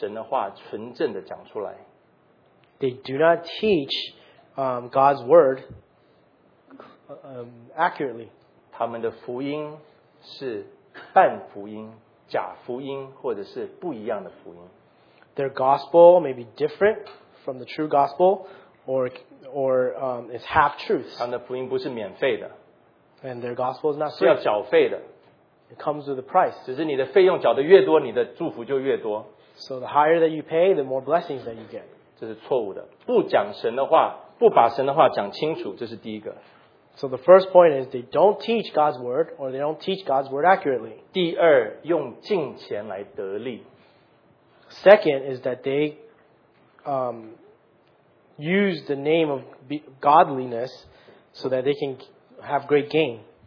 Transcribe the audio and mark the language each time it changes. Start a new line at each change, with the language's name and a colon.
Chinese: 他们不把神的话纯正的讲出来。
English: They do not teach God's word accurately.
Chinese: 他们的福音是半福音, 假福音或者是不一样的福音。
English: Their gospel may be different from the true gospel, or it's half truths.
Chinese: 他们的福音不是免费的,
English: and their gospel is not free.
Chinese: 是要缴费的,
English: it comes with a price.
Chinese: 只是你的费用缴得越多, 你的祝福就越多。
English: So the higher that you pay, the more blessings that you get.
Chinese: 这是错误的, 不讲神的话, 不把神的话讲清楚, 这是第一个。
English: So the first point is they don't teach God's word, or they don't teach God's word accurately.
Chinese: 第二, 用敬虔来得利。
English: Second is that they use the name of godliness so that they can have great gain.